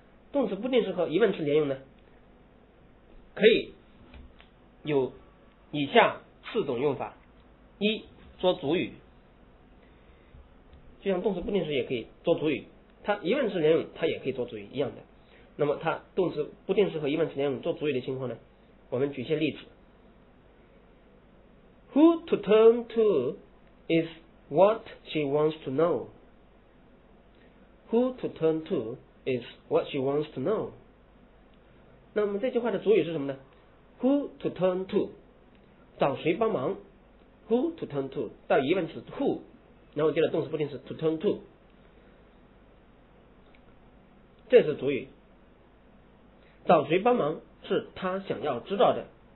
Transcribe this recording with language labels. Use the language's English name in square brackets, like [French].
[Chinese] 动词不定式和疑问词连用呢，可以有以下四种用法：一、做主语，就像动词不定式也可以做主语，它疑问词连用它也可以做主语一样的。那么它动词不定式和疑问词连用做主语的情况呢，我们举些例子。 [English] Who to turn to is what she wants to know。 Who to turn to is what she wants to know。 [Chinese] 那么这句话的主语是什么呢？ [English] Who to turn to， [Chinese] 找谁帮忙。Who [English] to turn to [Chinese] 到疑问词 who， 然后接着动词不定式 to turn to， 这是主语。找谁帮忙是他想要知道的。